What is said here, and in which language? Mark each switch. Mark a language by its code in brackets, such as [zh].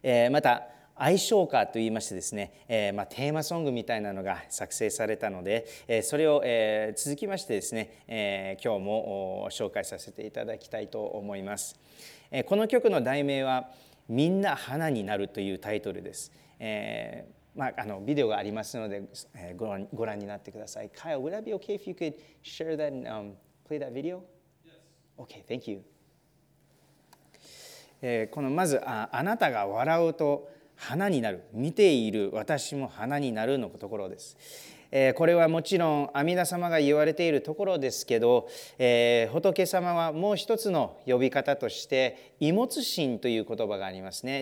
[ja] また愛唱歌といいましてですね、テーマソングみたいなのが作成されたので、それを続きましてですね、今日も紹介させていただきたいと思います。この曲の題名はみんな花になるというタイトルです。ビデオがありますので、ご覧になってください。 [en] Kyle, would that be okay if you could share that and play that video? Yes. Okay, thank you. [ja] このまず あなたが笑うと花になる、見ている私も花になるのところです。これはもちろん阿弥陀様が言われているところですけど、仏様はもう一つの呼び方として異物心という言葉がありますね。